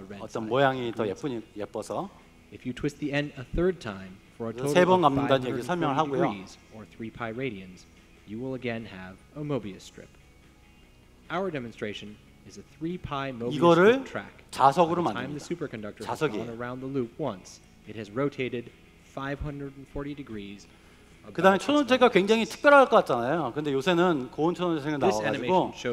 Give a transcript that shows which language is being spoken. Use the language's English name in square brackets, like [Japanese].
[Korean] 어떤 모양이 더 예쁘니 예뻐서. [English] If you twist the end a third time for a total of 530 degrees or 3 pi radians, you will again have a Mobius strip. Our demonstration is a 3 pi Mobius strip track. [Korean] 자석으로 만듭니다. [English] The superconductor has gone around the loop once. It has rotated 540 degrees. [Korean] 그 다음에 초전도체가 굉장히 특별할 것 같잖아요. 근데 요새는 고온 초전도체가 나와가지고.